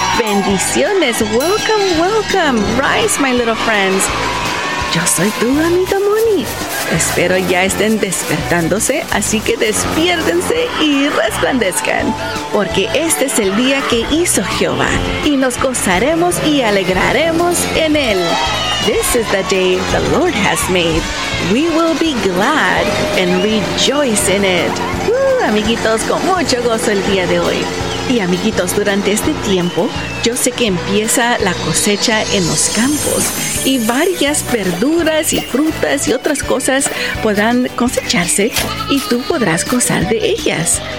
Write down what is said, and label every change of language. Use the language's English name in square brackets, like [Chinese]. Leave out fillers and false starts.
[English] Bendiciones, welcome, welcome, rise my little friends. [Spanish] Yo soy tu amiga Moni. Espero ya estén despertándose, así que despiértense y resplandezcan. Porque este es el día que hizo Jehová y nos gozaremos y alegraremos en él. [English] This is the day the Lord has made. We will be glad and rejoice in it. [Spanish] Amiguitos, con mucho gozo el día de hoy. Y amiguitos, durante este tiempo, yo sé que empieza la cosecha en los campos y varias verduras y frutas y otras cosas podrán cosecharse y tú podrás gozar de ellas.